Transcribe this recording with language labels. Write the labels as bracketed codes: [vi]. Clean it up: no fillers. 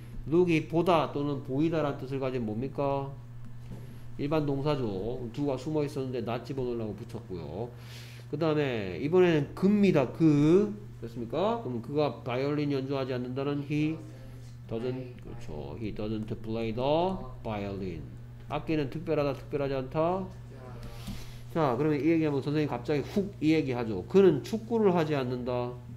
[ko] look이 보다 또는 보이다란 뜻을 가진 뭡니까? 일반 동사죠. 두가 숨어 있었는데 나 집어넣으려고 붙였고요. 그 다음에 이번에는 그입니다. 그. 됐습니까? 그럼 그가 바이올린 연주하지 않는다는 [en] he doesn't, [ko] 그렇죠. [en] he doesn't play the violin. [ko] 악기는 특별하다, 특별하지 않다. 자, 그러면 이 얘기하면 선생님이 갑자기 훅이 얘기하죠. 그는 축구를 하지 않는다.